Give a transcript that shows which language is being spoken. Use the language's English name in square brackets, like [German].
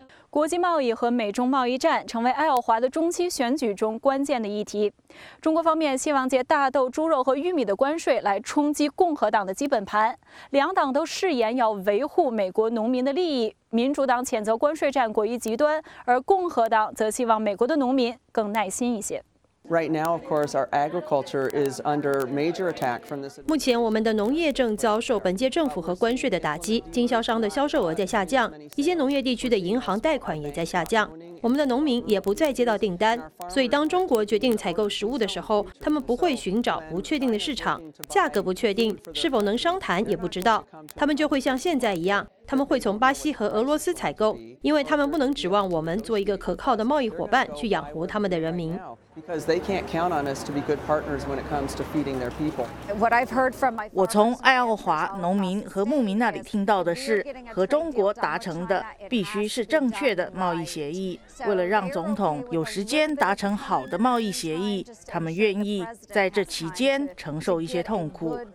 [Chinese] 国际贸易和美中贸易战成为爱奥华的中期选举中关键的议题。中国方面希望借大豆、猪肉和玉米的关税来冲击共和党的基本盘，两党都誓言要维护美国农民的利益。民主党谴责关税战过于极端，而共和党则希望美国的农民更耐心一些。 [English] Right now, of course, our agriculture is under major attack from this. [Chinese] 目前我们的农业正遭受本届政府和关税的打击，经销商的销售额在下降，一些农业地区的银行贷款也在下降，我们的农民也不再接到订单。所以，当中国决定采购食物的时候，他们不会寻找不确定的市场，价格不确定，是否能商谈也不知道，他们就会像现在一样，他们会从巴西和俄罗斯采购，因为他们不能指望我们做一个可靠的贸易伙伴去养活他们的人民。 [English] Because they can't count on us to be good partners when it comes to feeding their people. What I've heard from my [Chinese] 我从爱奥华农民和牧民那里听到的是，和中国达成的必须是正确的贸易协议。为了让总统有时间达成好的贸易协议，他们愿意在这期间承受一些痛苦。